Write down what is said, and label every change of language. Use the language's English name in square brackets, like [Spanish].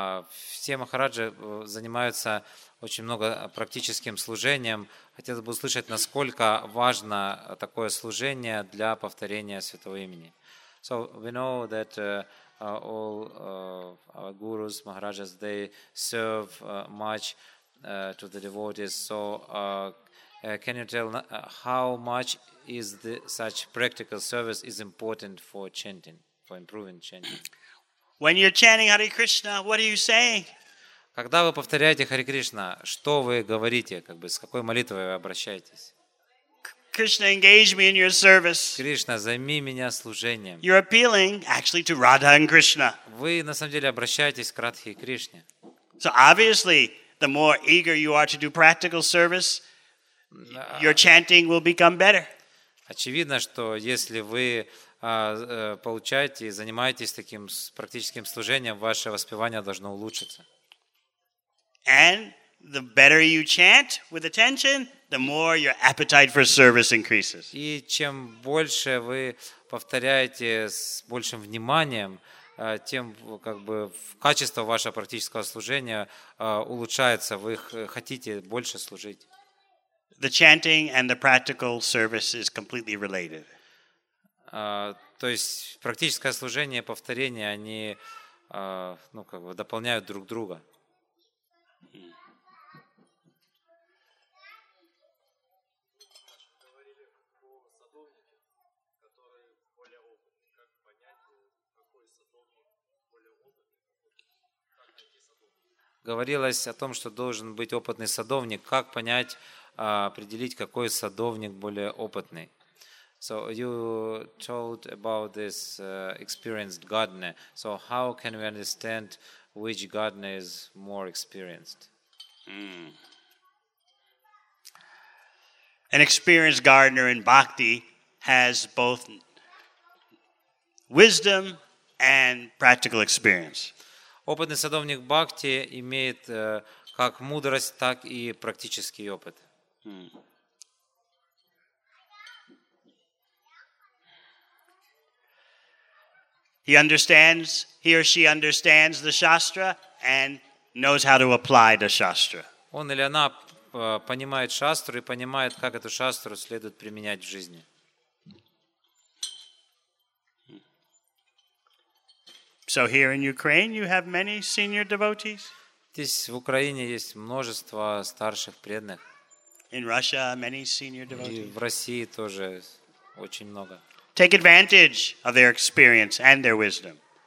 [Russian] Все махараджи занимаются очень много практическим служением. Хотелось бы услышать, насколько важно такое служение для повторения Святого Имени. [English] So we know that all our gurus, maharajas, they serve much to the devotees. So can you tell how much is the such practical service is important for chanting, for improving chanting? When you're chanting Hare Krishna, what are you saying? [Russian] Когда вы повторяете Хари Кришна, что вы говорите, как бы с какой молитвой вы обращаетесь? [English] Krishna, engage me in your service. [Russian] Кришна, займи меня служением. [English] You're appealing actually to Radha and Krishna. [Russian] Вы на самом деле обращаетесь к Радхе и Кришне. [English] So obviously, the more eager you are to do practical service, your chanting will become better. [Russian] Очевидно, что если вы получаете и занимаетесь таким практическим служением, ваше воспевание должно улучшиться. [English] And the better you chant with attention, the more your appetite for service increases. [Russian] И чем больше вы повторяете с большим вниманием, тем как бы качество вашего практического служения улучшается, вы хотите больше служить. [English] The chanting and the practical service is completely related. [Russian] То есть практическое служение и повторение, они дополняют друг друга. Говорилось о том, что должен быть опытный садовник. Как понять, определить, какой садовник более опытный? [English] So you told about this experienced gardener. So how can we understand which gardener is more experienced? An experienced gardener in bhakti has both wisdom and practical experience. [Russian] Опытный садовник бхакти имеет как мудрость, так и практический опыт. [English] He understands, he or she understands the shastra and knows how to apply the shastra. [Russian] Он или она понимает шастру и понимает, как эту шастру следует применять в жизни. [English] So here in Ukraine you have many senior devotees? [Russian] Здесь в Украине есть множество старших преданных. [English] In Russia many senior devotees. [Russian] И в России тоже очень много. [English] Take advantage of their experience and their wisdom.